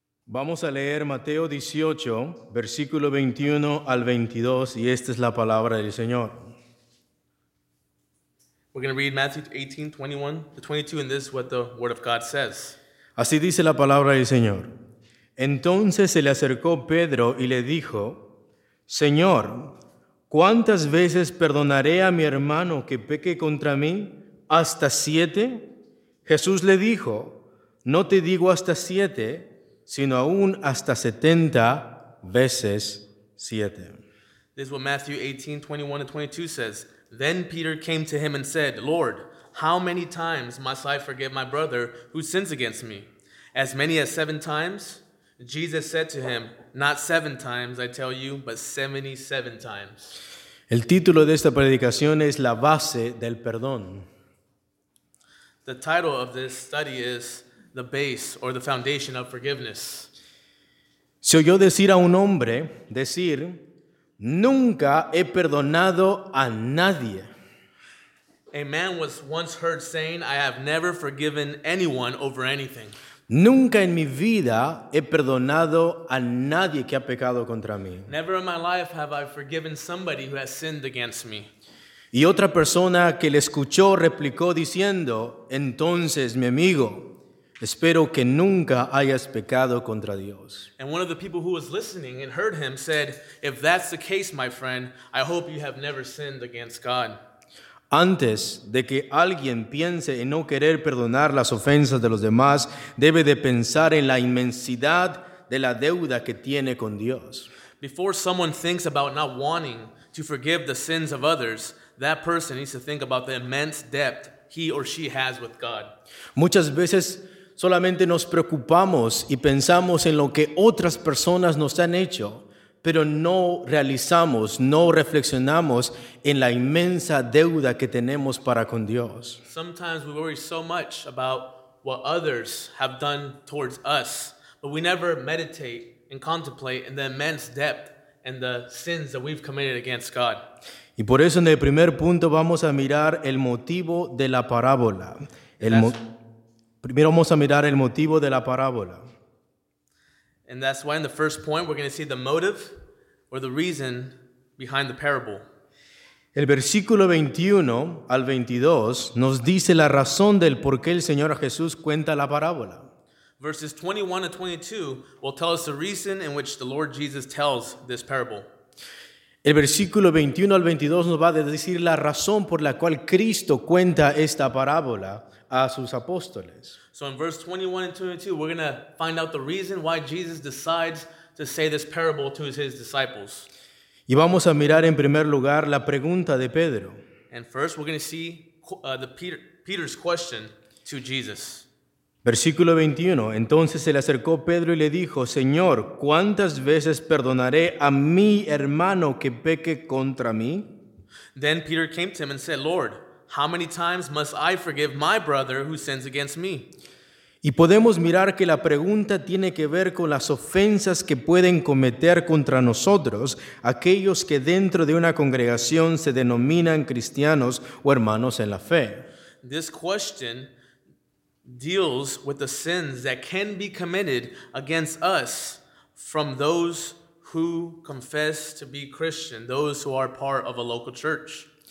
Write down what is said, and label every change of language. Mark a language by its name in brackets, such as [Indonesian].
[Spanish] Vamos a leer Mateo 18, versículo 21 al 22, y esta es la palabra del Señor. [English] We're going to read Matthew 18, 21 to 22, and this is what the Word of God says. [Spanish] Así dice la palabra del Señor. Entonces se le acercó Pedro y le dijo, Señor, ¿cuántas veces perdonaré a mi hermano que peque contra mí? ¿Hasta siete? Jesús le dijo, no te digo hasta siete, sino aún hasta 70 veces 7. [English] This is what Matthew 18, 21 and 22 says. Then Peter came to him and said, Lord, how many times must I forgive my brother who sins against me? As many as 7 times? Jesus said to him, not 7 times, I tell you, but 77 times. [Spanish] El título de esta predicación es La Base del Perdón. [English] The title of this study is the base or the foundation of forgiveness. [Spanish] Se oyó decir a un hombre, decir, nunca he perdonado a nadie. [English] A man was once heard saying, I have never forgiven anyone over anything. [Spanish] Nunca en mi vida he perdonado a nadie que ha pecado contra mí. [English] Never in my life have I forgiven somebody who has sinned against me. [Spanish] Y otra persona que le escuchó replicó diciendo, entonces mi amigo, espero que nunca hayas pecado contra Dios. [English] And one of the people who was listening and heard him said, if that's the case, my friend, I hope you have never sinned against God. [Spanish] Antes de que alguien piense en no querer perdonar las ofensas de los demás, debe de pensar en la inmensidad de la deuda que tiene con Dios. [English] Before someone thinks about not wanting to forgive the sins of others, that person needs to think about the immense debt he or she has with God. [Spanish] Muchas veces solamente nos preocupamos y pensamos en lo que otras personas nos han hecho, pero no realizamos, no reflexionamos en la inmensa deuda que tenemos para con Dios. [English] Sometimes we worry so much about what others have done towards us, but we never meditate and contemplate in the immense depth and the sins that we've committed against God. [Spanish] Y por eso en el primer punto vamos a mirar el motivo de la parábola. Primero vamos a mirar el motivo de la parábola. [English] And that's why in the first point we're going to see the motive or the reason behind the parable. [Spanish] El versículo 21 al 22 nos dice la razón del por qué el Señor Jesús cuenta la parábola. [English] Verses 21 to 22 will tell us the reason in which the Lord Jesus tells this parable. [Spanish] El versículo 21 al 22 nos va a decir la razón por la cual Cristo cuenta esta parábola a sus apóstoles. [English] So in verse 21 and 22, we're going to find out the reason why Jesus decides to say this parable to his disciples. [Spanish] Y vamos a mirar en primer lugar la pregunta de Pedro. [English] And first, we're going to see Peter's question to Jesus. [Spanish] Versículo 21, entonces se le acercó Pedro y le dijo, Señor, ¿cuántas veces perdonaré a mi hermano que peque contra mí? [English] Then Peter came to him and said, Lord, how many times must I forgive my brother who sins against me? [Spanish] Y podemos mirar que la pregunta tiene que ver con las ofensas que pueden cometer contra nosotros aquellos que dentro de una congregación se denominan cristianos o hermanos en la fe. [English] This question deals with the sins that can be committed against us from those who confess to be Christian, those who are part of a local church.